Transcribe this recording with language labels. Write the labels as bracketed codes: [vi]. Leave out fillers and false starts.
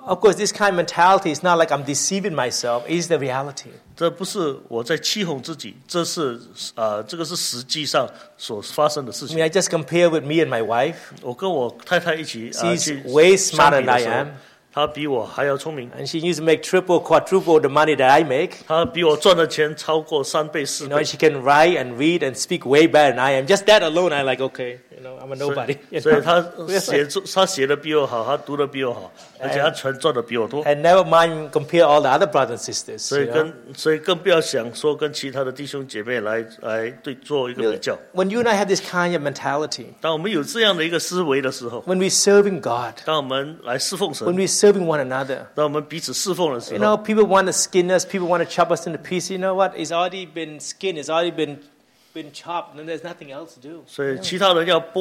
[en] Of course, this kind of mentality is not like I'm deceiving myself; it's the reality. [zh] 这不是我在欺哄自己，这是实际上所发生的事情。 [en] I just compare with me and my wife. [zh] 我跟我太太一起， [en] she's way smarter than I am. [zh] 她比我还要聪明。 [en] And she used to make triple, quadruple the money that I make. [zh] 她比我赚的钱超过三倍，四倍。 [en] You know, she can write and read and speak way better than I am. Just that alone, I'm like, okay, you know, I'm a nobody. [zh] 所以她写的比我好，她读的比我好，而且她全赚的比我多。 [en] And never mind compare all the other brothers and sisters. [zh] 所以更不要想说跟其他的弟兄姐妹来做一个比较。 [en] When you and I have this kind of mentality, [zh] 当我们有这样的一个思维的时候， [en] when we serving God, [zh] 当我们来侍奉神， [en] when we serving one another, [zh] 当我们彼此侍奉的时候， [en] you know, people want to skin us, people want to chop us into pieces. You know what? It's already been skinned, it's already been chopped, and then there's nothing else to do.